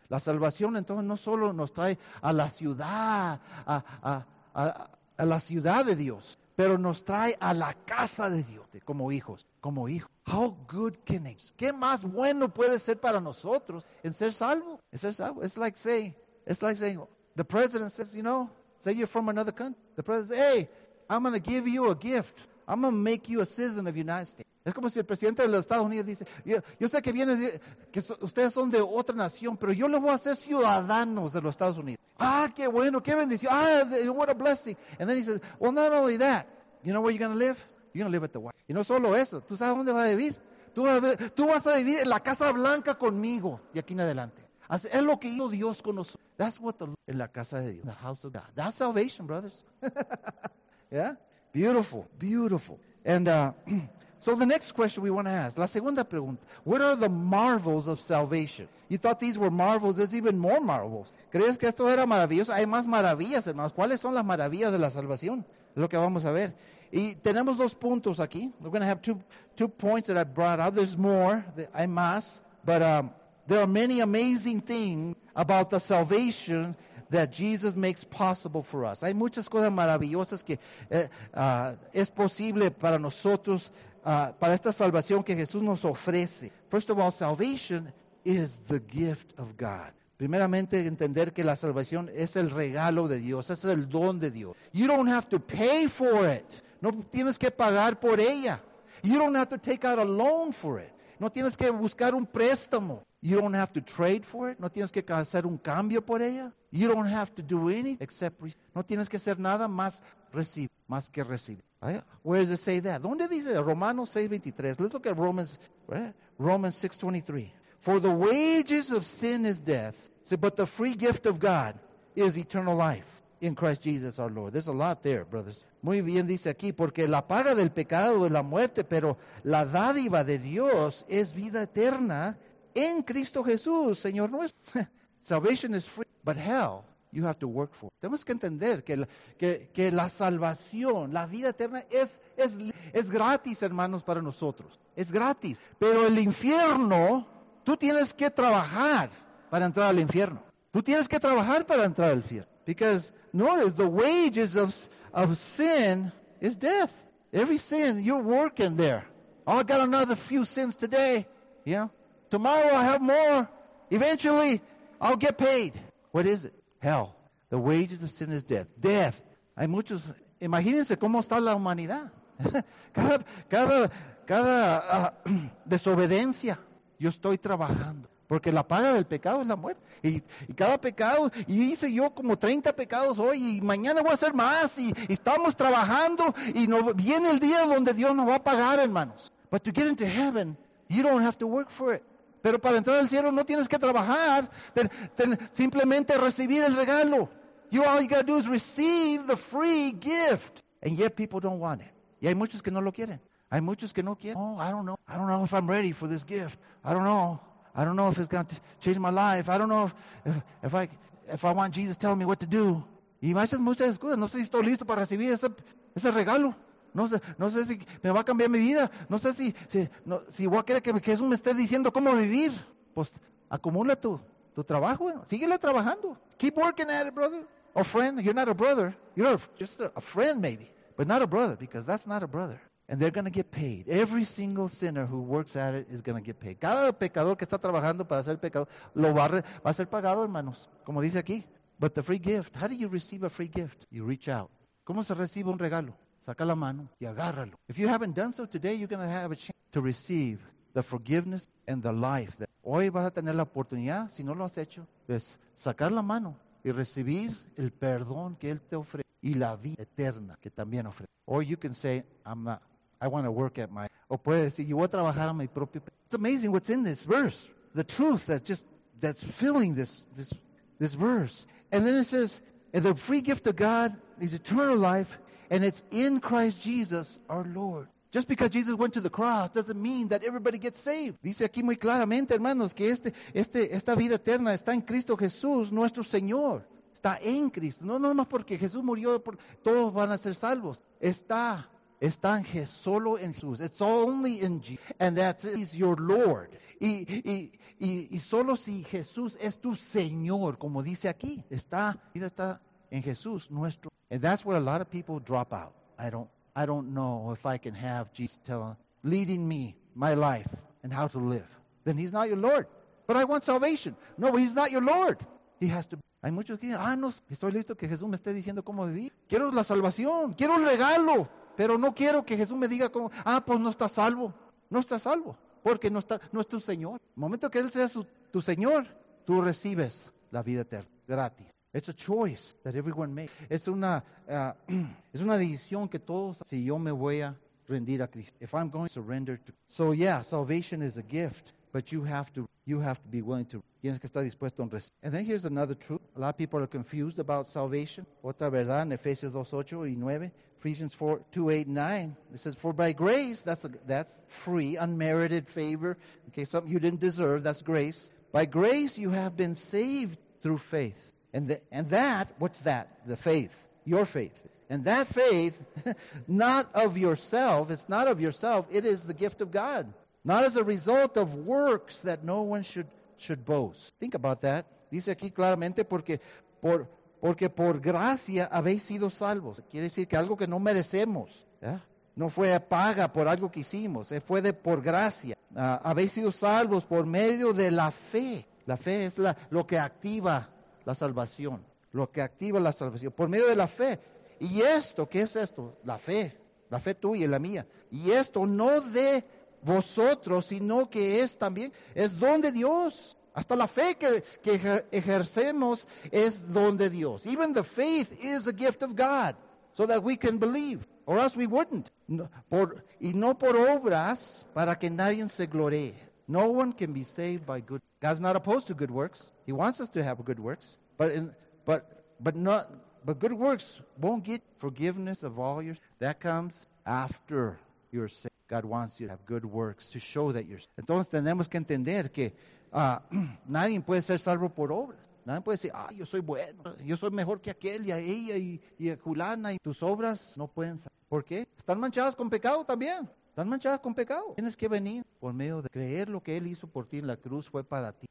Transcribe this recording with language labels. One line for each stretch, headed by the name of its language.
Spanish: La salvación, entonces, no solo nos trae a la ciudad de Dios, pero nos trae a la casa de Dios como hijos, como hijos.
English: How good can it be?
Spanish: ¿Qué más bueno puede ser para nosotros en ser salvo? En ser salvo.
English: It's like saying, the president says, you know, say you're from another country. The president says, hey, I'm going to give you a gift. I'm going to make you a citizen of the United States.
Spanish: Es como si el presidente de los Estados Unidos dice, yo sé que viene, que ustedes son de otra nación, pero yo los voy a hacer ciudadanos de los Estados Unidos. Ah, qué bueno, qué bendición.
English: Ah, what a blessing. And then he says, well, not only that, you know where you're going to live? You're going to live at the White House.
Spanish: Y no solo eso, ¿tú sabes dónde vas a vivir? Tú vas a vivir en la Casa Blanca conmigo de aquí en adelante. Así, es lo que hizo Dios con nosotros.
English: That's what the Lord,
Spanish: en la casa de Dios.
English: The house of God. That's salvation, brothers. Yeah? Beautiful, beautiful. And so the next question we want to ask,
Spanish: la segunda pregunta,
English: what are the marvels of salvation? You thought these were marvels, there's even more marvels.
Spanish: ¿Crees que esto era maravilloso? Hay más maravillas, hermanos. ¿Cuáles son las maravillas de la salvación? Lo que vamos a ver. Y tenemos dos puntos aquí.
English: We're going to have two points that I brought out. There's more,
Spanish: hay más,
English: but there are many amazing things about the salvation that Jesus makes possible for us.
Spanish: Hay muchas cosas maravillosas que es posible para nosotros, para esta salvación que Jesús nos ofrece.
English: First of all, salvation is the gift of God.
Spanish: Primeramente, entender que la salvación es el regalo de Dios, es el don de Dios.
English: You don't have to pay for it.
Spanish: No tienes que pagar por ella.
English: You don't have to take out a loan for it.
Spanish: No tienes que buscar un préstamo.
English: You don't have to trade for it.
Spanish: No tienes que hacer un cambio por ella.
English: You don't have to do anything except receive.
Spanish: No tienes que hacer nada más recibir, más que recibir.
English: Right? Where does it say that?
Spanish: ¿Dónde dice? Romanos 6:23.
English: Let's look at Romans, right? Romans 6:23. For the wages of sin is death, but the free gift of God is eternal life in Christ Jesus our Lord. There's a lot there, brothers.
Spanish: Muy bien dice aquí, porque la paga del pecado es la muerte, pero la dádiva de Dios es vida eterna en Cristo Jesús, Señor nuestro.
English: Salvation is free, but hell, you have to work for.
Spanish: Tenemos que entender que la salvación, la vida eterna, es gratis, hermanos, para nosotros. Es gratis. Pero el infierno, tú tienes que trabajar para entrar al infierno. Tú tienes que trabajar para entrar al infierno.
English: Because notice, the wages of sin is death. Every sin, you're working there. Oh, I got another few sins today. Yeah. Tomorrow I have more. Eventually, I'll get paid. What is it? Hell. The wages of sin is death. Death.
Spanish: Hay muchos. Imagínense cómo está la humanidad. Cada desobediencia. Yo estoy trabajando. Porque la paga del pecado es la muerte. Y cada pecado, y hice yo como 30 pecados hoy, y mañana voy a hacer más, y estamos trabajando, y no, viene el día donde Dios nos va a pagar, hermanos.
English: But to get into heaven, you don't have to work for it.
Spanish: Pero para entrar al cielo no tienes que trabajar, simplemente recibir el regalo.
English: All you got to do is receive the free gift. And yet people don't want it.
Spanish: Y hay muchos que no lo quieren. Hay muchos que no quieren.
English: Oh, I don't know. I don't know if I'm ready for this gift. I don't know if it's going to change my life. I don't know if I want Jesus telling me what to do.
Spanish: Y muchas cosas. No sé si estoy listo para recibir ese regalo. No sé si me va a cambiar mi vida. No sé si voy a querer que Jesús me esté diciendo cómo vivir. Pues acumula tu trabajo. Síguele trabajando.
English: Keep working at it, brother. Or friend. You're not a brother. You're just a friend, maybe. But not a brother, because that's not a brother. And they're going to get paid. Every single sinner who works at it is going to get paid.
Spanish: Cada pecador que está trabajando para ser pecador, va a ser pagado, hermanos. Como dice aquí.
English: But the free gift. How do you receive a free gift? You reach out.
Spanish: ¿Cómo se recibe un regalo? Saca la mano y agárralo.
English: If you haven't done so today, you're going to have a chance to receive the forgiveness and the life.
Spanish: Hoy vas a tener la oportunidad, si no lo has hecho, de sacar la mano y recibir el perdón que Él te ofrece y la vida eterna que también ofrece.
English: Or you can say, I'm not, I want to work at my...
Spanish: O puede decir, yo voy a trabajar a mi propio...
English: It's amazing what's in this verse. The truth that's filling this verse. And then it says, and the free gift of God is eternal life, and it's in Christ Jesus, our Lord. Just because Jesus went to the cross doesn't mean that everybody gets saved.
Spanish: Dice aquí muy claramente, hermanos, que esta vida eterna está en Cristo Jesús, nuestro Señor. Está en Cristo. No nomás porque Jesús murió, todos van a ser salvos. Está en Jesús, solo en Jesús.
English: It's only in Jesus. And that is your Lord.
Spanish: Y solo si Jesús es tu Señor, como dice aquí, está en Jesús, nuestro.
English: And that's where a lot of people drop out. I don't I don't know if I can have Jesus leading me my life and how to live. Then he's not your Lord. But I want salvation. No, but he's not your Lord. He has to be.
Spanish: Hay muchos que dicen, no, estoy listo que Jesús me esté diciendo cómo vivir. Quiero la salvación, quiero el regalo, pero no quiero que Jesús me diga cómo. Pues no estás salvo. No estás salvo, porque no es tu Señor. El momento que Él sea tu Señor, tú recibes la vida eterna, gratis.
English: It's a choice that everyone makes.
Spanish: Es una decisión que todos, si yo me voy a rendir a Cristo.
English: If I'm going to surrender to. So yeah, salvation is a gift, but you have to be willing to.
Spanish: Tienes que estar dispuesto a recibir.
English: And then here's another truth. A lot of people are confused about salvation.
Spanish: Otra verdad en Efesios 2:8 y 9.
English: Ephesians 4:2-9. It says, for by grace, that's free, unmerited favor. Okay, something you didn't deserve, that's grace. By grace you have been saved through faith. And that, what's that? The faith, your faith. And that faith, not of yourself, it is the gift of God. Not as a result of works that no one should boast. Think about that.
Spanish: Dice aquí claramente, porque por gracia habéis sido salvos. Quiere decir que algo que no merecemos. ¿Eh? No fue paga por algo que hicimos. Fue de por gracia. Habéis sido salvos por medio de la fe. La fe es lo que activa la salvación. Lo que activa la salvación. Por medio de la fe. Y esto, ¿qué es esto? La fe. La fe tuya y la mía. Y esto no de vosotros, sino que es también, es don de Dios. Hasta la fe que ejercemos es don de Dios.
English: Even the faith is a gift of God, so that we can believe, or else we wouldn't.
Spanish: No por obras, para que nadie se gloree.
English: No one can be saved by good. God's not opposed to good works. He wants us to have good works, but good works won't get forgiveness of all your. That comes after you're saved. God wants you to have good works to show that you're.
Spanish: Entonces tenemos que entender que nadie puede ser salvo por obras. Nadie puede decir, yo soy bueno, yo soy mejor que aquel y a ella y a Julana y tus obras no pueden ser. ¿Por qué? Están manchadas con pecado también. Están manchadas con pecado. Tienes que venir por medio de creer lo que Él hizo por ti en la cruz fue para ti.